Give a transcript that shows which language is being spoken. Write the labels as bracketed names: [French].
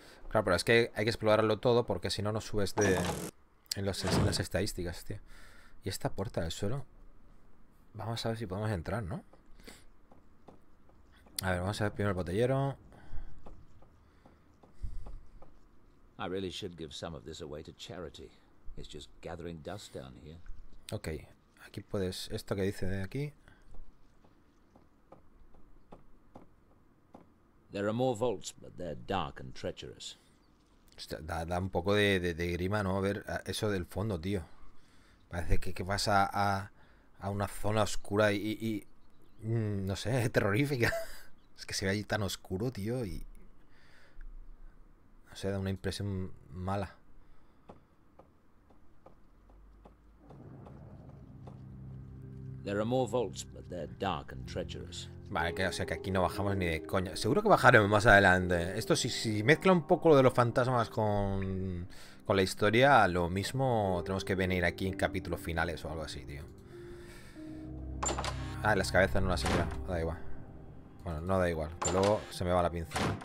[Spanish] Claro, pero es que hay que explorarlo todo porque si no, no subes de... en las estadísticas, tío. Y esta puerta del suelo... Vamos a ver si podemos entrar, ¿no? A ver, vamos a ver primero el botellero. [English] I really should give some of this away to charity. It's just gathering dust down here. [Spanish] Okay, aquí puedes esto que dice de aquí. [English] There are more vaults, but they're dark and treacherous. [Spanish] Da un poco de grima, ¿no? Ver eso del fondo, tío. Parece que vas a una zona oscura y no sé, es terrorífica. Es que se ve allí tan oscuro, tío, y... no sé, da una impresión mala. [English] There are more vaults, but they're dark and treacherous. [Spanish] Vale, que, o sea que aquí no bajamos ni de coña. Seguro que bajaremos más adelante. Esto si mezcla un poco lo de los fantasmas con la historia, lo mismo tenemos que venir aquí en capítulos finales o algo así, tío. Ah, las cabezas no las he mirado. Da igual. Bueno, no da igual, que luego se me va la pinza.